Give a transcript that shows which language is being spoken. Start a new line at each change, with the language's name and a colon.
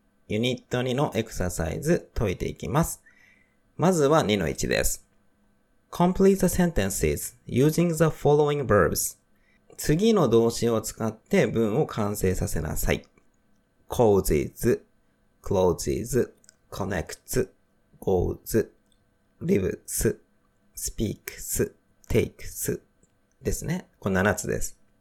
Japanese: ユニット2のエクササイズ解いていきます。まずは 2-1 です。
English: Complete the sentences using the following verbs.
Japanese: 次の動詞を使って文を完成させなさい。
English: Causes, closes, connects, goes, lives, speaks, takes
Japanese: ですね。これ7つです。